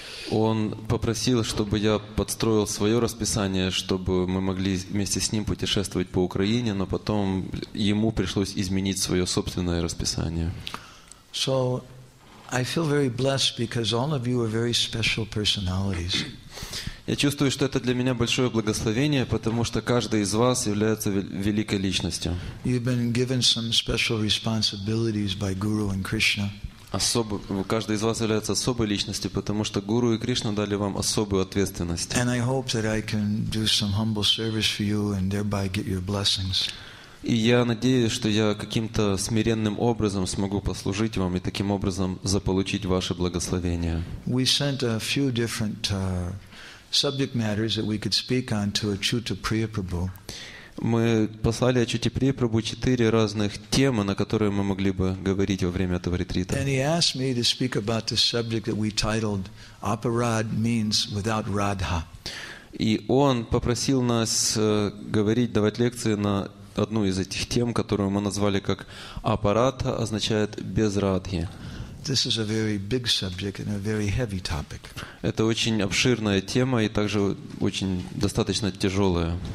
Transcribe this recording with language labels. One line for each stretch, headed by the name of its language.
Russian: Он попросил, чтобы я подстроил свое расписание, чтобы мы могли вместе с ним путешествовать по Украине, но потом ему пришлось изменить свое собственное расписание.
English: So, I feel very blessed because all of you are very special personalities.
Russian: Я чувствую, что это для меня большое благословение, потому что каждый из вас является великой личностью.
English: You've been given some special responsibilities by Guru and Krishna.
Russian: Каждый из вас является особой личностью, потому что Гуру и Кришна дали вам особую ответственность.
English: And I hope that I can do some humble service for you and thereby get your blessings.
Russian: И я надеюсь, что я каким-то смиренным образом смогу послужить вам и таким образом заполучить ваше благословение.
English: We sent a few different subject matters that we could speak on to Achyuta Priyaprabhu.
Russian: Мы послали Ачюте Приапрабху четыре разных темы, на которые мы могли бы говорить во время этого ретрита.
English: And he asked me to speak about the subject that we titled "Aparad means without Radha".
Russian: И он попросил нас говорить, давать лекции на одну из этих тем, которую мы назвали как «аппарат», означает «без радхи». Это очень обширная тема и также очень достаточно тяжелая